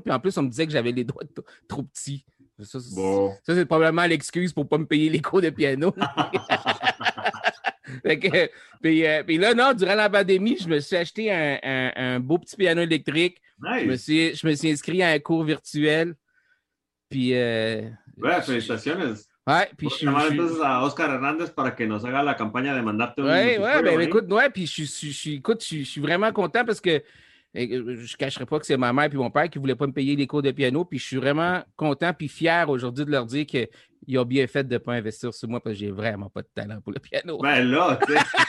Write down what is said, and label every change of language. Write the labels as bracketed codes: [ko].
[fr] Puis en plus, on me disait que j'avais les doigts trop petits. Ça, c'est probablement l'excuse pour ne pas me payer les cours de piano. puis là, non, durant la pandémie, je me suis acheté un beau petit piano électrique. [en] Nice. [fr] Je me suis inscrit à un cours virtuel. Puis, ouais, félicitations. Ouais, puis je suis... [es] Demande entonces a Oscar Hernández para que nos haga la campaña de mandarte un... [fr] Ouais, ouais, ben écoute, ouais, puis je suis vraiment content parce que je ne cacherai pas que c'est ma mère et mon père qui ne voulaient pas me payer les cours de piano. Puis je suis vraiment content et fier aujourd'hui de leur dire qu'ils ont bien fait de ne pas investir sur moi parce que je n'ai vraiment pas de talent pour le piano. Ben là, tu sais.